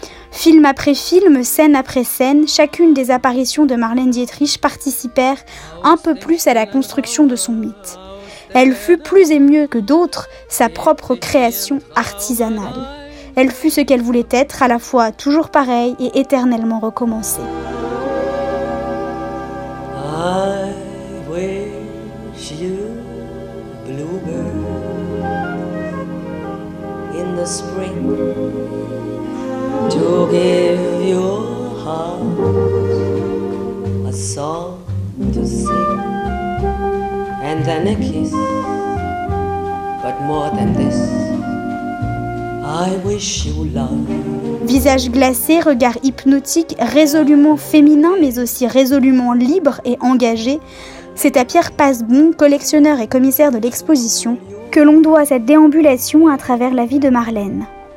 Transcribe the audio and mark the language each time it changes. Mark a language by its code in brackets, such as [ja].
[fr] Film après film, scène après scène, chacune des apparitions de Marlène Dietrich participèrent un peu plus à la construction de son mythe. Elle fut plus et mieux que d'autres sa propre création artisanale. Elle fut ce qu'elle voulait être, à la fois toujours pareille et éternellement recommencée. [en] I wish you bluebird in the spring to give your heart a song to sing and then a kiss, but more than this. I wish you love. [fr] Visage glacé, regard hypnotique, résolument féminin mais aussi résolument libre et engagé, c'est à Pierre Passebon, collectionneur et commissaire de l'exposition, que l'on doit cette déambulation à travers la vie de Marlène.